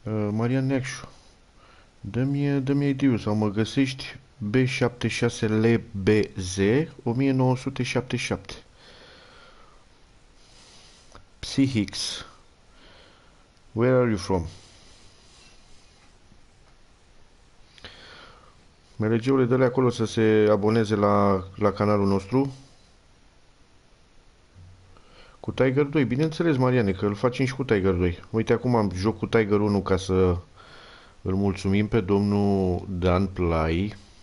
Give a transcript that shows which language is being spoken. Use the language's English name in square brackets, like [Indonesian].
[Romanian] Marian Neacșu, dă-mi ID-ul sau mă găsești B76LBZ 1977. [English] Psihix, where are you from? [Romanian] MLG-ul dă-le acolo să se aboneze la canalul nostru. Cu Tiger 2, bineînțeles, Mariane, că îl facem și cu Tiger 2. Uite, acum am joc cu Tiger 1 ca să îl mulțumim pe domnul Dan Plai.